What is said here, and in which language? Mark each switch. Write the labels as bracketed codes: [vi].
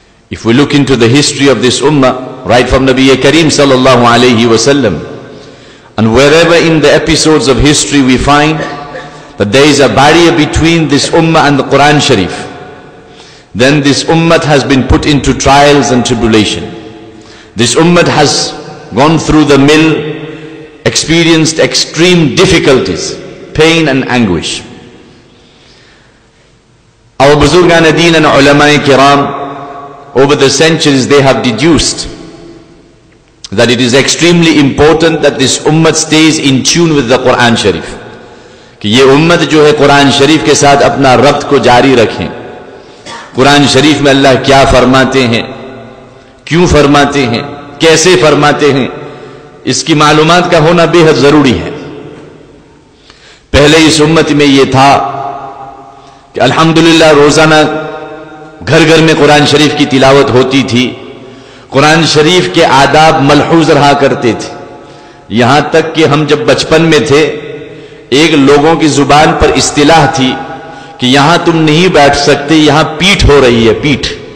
[en] If we look into the history of this ummah right from نبی کریم صلی اللہ علیہ وسلم and wherever in the episodes of history we find that there is a barrier between this ummah and the Quran Sharif, then this ummah has been put into trials and tribulation. This ummah has gone through the mill, experienced extreme difficulties, pain and anguish. Our buzurgan deen and ulama kiram over the centuries they have deduced that it is extremely important that this ummah stays in tune with the Quran Sharif. [ur] کہ یہ امت جو ہے قرآن شریف کے ساتھ اپنا ربط کو جاری رکھیں، قرآن شریف میں اللہ کیا فرماتے ہیں، کیوں فرماتے ہیں، کیسے فرماتے ہیں، اس کی معلومات کا ہونا بے حد ضروری ہے۔ پہلے اس امت میں یہ تھا کہ الحمدللہ روزانہ گھر گھر میں قرآن شریف کی تلاوت ہوتی تھی، قرآن شریف کے آداب ملحوظ رہا کرتے تھے، یہاں تک کہ ہم جب بچپن میں تھے ایک لوگوں کی زبان پر اصطلاح تھی کہ یہاں تم نہیں بیٹھ سکتے، یہاں پیٹ ہو رہی ہے، پیٹ۔